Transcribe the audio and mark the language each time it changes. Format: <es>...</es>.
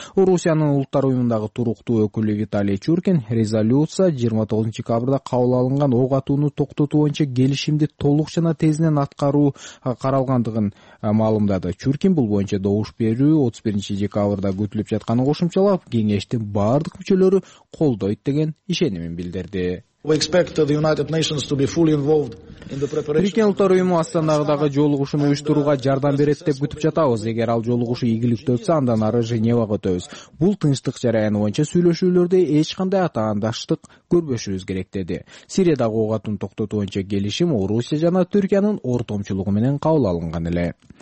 <ky>Орусиянын улуттар уюмундагы туруктуу өкүлү Виталий Чуркин резолюция 29 декабрда кабыл алынган ок атууну токтотуу боюнча келишимди толук жана тезинен аткаруу каралгандыгын маалымдады. Чуркин бул боюнча добуш берүү 31 декабрда күтүлүп жатканын кошумчалап, кеңештин баардык мүчөлөрү колдойт деген ишенимин билдирди.</ky> <en>We expect the United Nations to be fully involved in the preparation.</en> <ky>Бирккен Улуттар Уюму Астанадагы жолугушууну уюштурууга жардам берет деп күтүп жатабыз. Эгер ал жолугушуу ийгиликтүү өтсө, андан ары Женевага өтөбүз. Бул тынчтык жараяны боюнча сүйлөшүүлөрдө эч кандай атаандаштык көрбөшүбүз керек деди. Сириядагы ок атууну токтотуу боюнча келишим Орусия жана Түркиянын ортомчулугу менен кабыл алынган эле.</ky>